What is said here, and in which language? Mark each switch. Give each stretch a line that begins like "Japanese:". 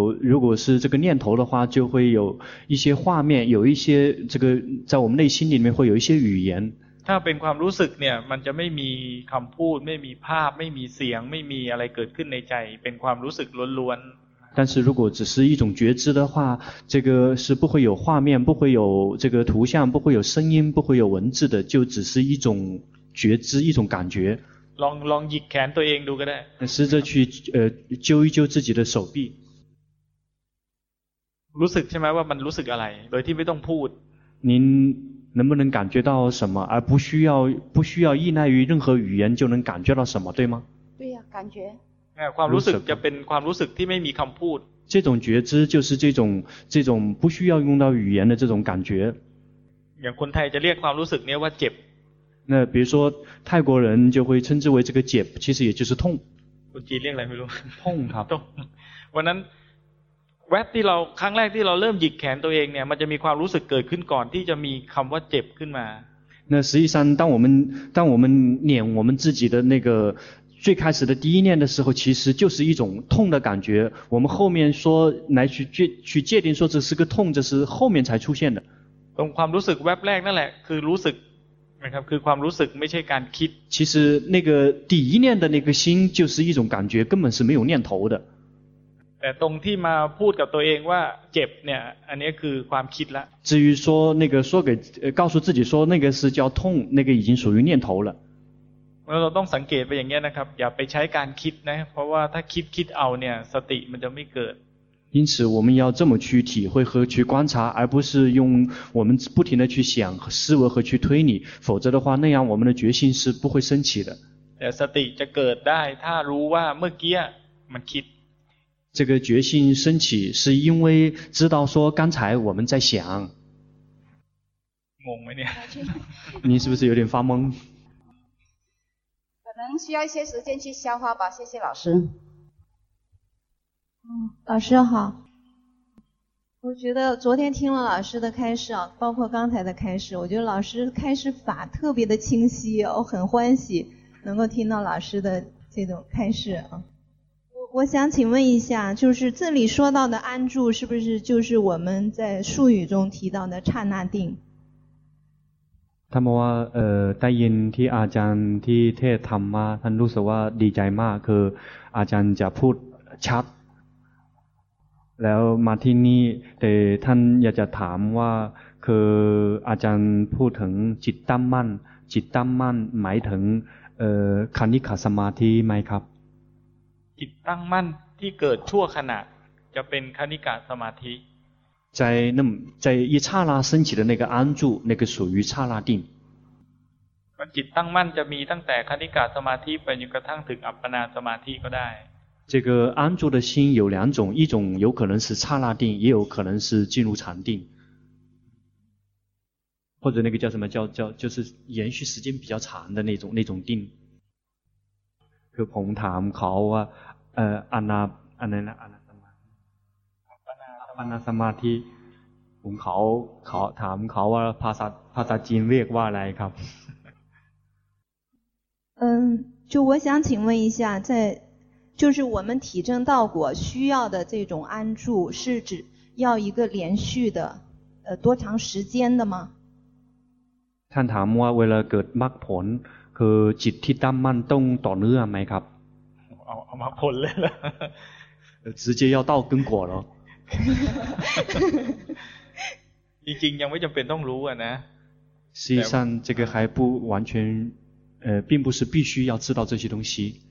Chinese: 如果是这个念头的话就会有一些画面有一些这个在我们内心里面会有一些语言
Thai: ถ้าเป็นความรู้สึกเนี่ยมันจะไม่มีคำพูดไม่มีภาพไม่มีเสียงไม่มีอะไรเกิดขึ้นในใจเป็นความรู้สึกล้วน
Chinese: 但是如果只是一种觉知的话，这个是不会有画面，不会有这个图像，不会有声音，不会有文字的，就只是一种觉知，一种感觉。
Thai: ลองหยิกแขนตัวเองดูก็ได้
Chinese: 试着去揪一揪自己的手臂。
Thai: รู้สึกใช่ไหมว่ามันรู้สึกอะไรโดยที่ไม่ต้องพูด
Chinese: 您能不能感觉到什么而不需要依赖于任何语言就能感觉到什么对吗对呀、啊、感觉
Thai: ความรู้สึกจะเป็นความรู้สึกที่ไม่มีคำพูด
Chinese: 这种觉知就是这种不需要用到语言的这种感觉
Thai: อย่างคนไทยจะเรียกความรู้สึกนี้ว่าเจ็บ
Chinese: 那比如说泰国人就会称之为这个เจ็บ其实也就是痛
Thai: คนจีนเรียกอะไรไม่รู้
Chinese: 痛ครับ
Thai: วันนั้นแวบที่เราครั้งแรกที่เราเริ่มหยิกแขนตัวเองเนี่ยมันจะมีความรู้สึกเกิดขึ้นก่อนที่จะมีคำว่าเจ็บขึ้นมา
Chinese: 那实际上当我们捻我们自己的那个最开始的第一念的时候其实就是一种痛的感觉我们后面说来去界定说这是个痛这是后面才出现的
Thai: ความรู้สึกแวบแรกนั่นแหละคือรู้สึกนะครับคือความรู้สึกไม่ใช่การคิด
Chinese: 其实那个第一念的那个心就是一种感觉根本是没有念头的
Thai: แต่ตรงที่มาพูดกับตัวเองว่าเจ็บเนี่ยอันนี้คือความคิดละ
Chinese: 至于说那个说给告诉自己说那个是叫痛那个已经属于念头了
Thai: เราต้องสังเกตไปอย่างนี้นะครับอย่าไปใช้การคิดนะเพราะว่าถ้าคิดเอาเนี่ยสติมันจะไม่เกิด
Chinese: 因此我们要这么去体会和去观察而不是用我们不停的去想思维和去推理否则的话那样我们的决心是不会升起的
Thai: แต่สติจะเกิดได้ถ้ารู้ว่าเมื่อกี้มันคิด
Chinese: 这个决心升起是因为知道说刚才我们在想懵了你你是不是有点发懵能需要一些时间去消化吧，谢谢老师。老师好。我觉得昨天听了老师的开示啊，包括刚才的开示，我觉得老师开示法特别的清晰，我很欢喜能够听到老师的这种开示啊。我想请问一下，就是这里说到的安住，是不是就是我们在术语中提到的刹那定？
Thai: ท่านบอกว่าได้ยินที่อาจารย์ที่เทศธรรมมาท่านรู้สึกว่าดีใจมากคืออาจารย์จะพูดชัดแล้วมาที่นี่แต่ท่านอยากจะถามว่าคืออาจารย์พูดถึงจิตตั้มมั่นจิตตั้มมั่นหมายถึงคณิกะสมาธิไหมครับ จิตตั้งมั่นที่เกิดชั่วขณะจะเป็นคณิกะสมาธิ
Chinese: 在一刹那升起的那个安住，那个属于刹那定。
Thai: 那จิตตั้งมั่นจะมีตั้งแต่คณิกะสมาธิไปจนกระทั่งถึงอัปปนาสมาธิก็ได้。
Chinese: 这个安住的心有两种，一种有可能是刹那定，也有可能是进入禅定，或者那个叫什么叫就是延续时间比较长的那种定。
Thai: คือผมถามเขาว่าอันนาอันนั้นอันนั้นอานาสมาธิผมเขาถามเขาว่าภาษาจีนเรียกว่าอะไรครับ
Chinese: 就我想请问一下在就是我们体证道果需要的这种安住是指要一个连续的多长时间的吗
Thai: ท่านถามว่าเวลาเกิดมรรคผลคือจิตที่ตั้งมั่นต้องต่อเนื่องไหมครับ เอามรรคผลเลยล่ะ
Chinese: 直接要到根果了
Thai: จริงๆยังไม่จำเป็นต้องรู้อ่ะนะ
Chinese: ซีซั่น这个还不完全并不是必须要知道这些东西